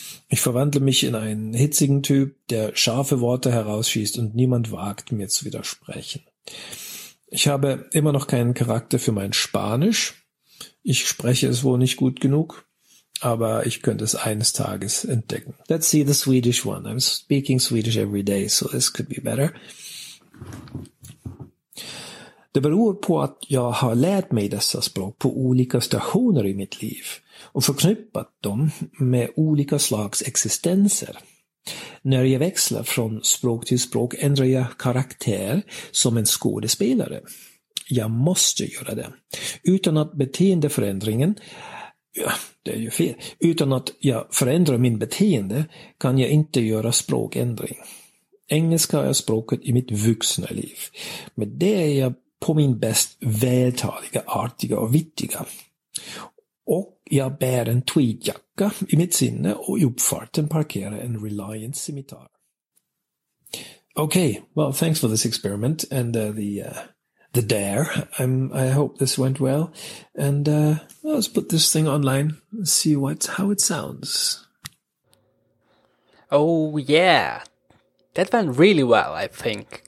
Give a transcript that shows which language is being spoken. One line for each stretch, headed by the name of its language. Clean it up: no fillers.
German: Ich verwandle mich in einen hitzigen Typ, der scharfe Worte herausschießt und niemand wagt, mir zu widersprechen. Ich habe immer noch keinen Charakter für mein Spanisch. Ich spreche es wohl nicht gut genug, aber ich könnte es eines Tages entdecken.
English: Let's see the Swedish one. I'm speaking Swedish every day, so this could be better.
Swedish: Det beror på att jag har lärt mig dessa språk på olika stationer i mitt liv och förknippat dem med olika slags existenser. När jag växlar från språk till språk ändrar jag karaktär som en skådespelare. Jag måste göra det. Utan att beteendeförändringen, ja, det är ju fel, utan att jag förändrar min beteende kan jag inte göra språkändring. Engelska är språket i mitt vuxna liv. Med det är jag på min bäst vältaliga, artiga och vittiga. Och jag bär en tweedjacka i mitt sinne och i uppfarten parkerar en Reliant Scimitar.
English: Okay, well, thanks for this experiment and the dare. I hope this went well. And let's put this thing online and see how it sounds. Oh, yeah. That went really well, I think.